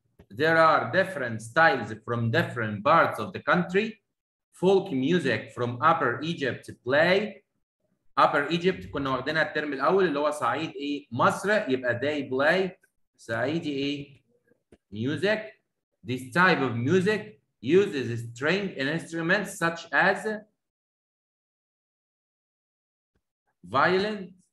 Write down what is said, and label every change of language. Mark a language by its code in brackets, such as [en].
[en] There are different styles from different parts of the country. Folk music from Upper Egypt play. Upper Egypt [ar] كنا واخدينها الترم الأول اللي هو صعيد إيه مصر يبقى [en] they play [ar] صعيدي إيه music. [en] This type of music uses string instruments such as violin.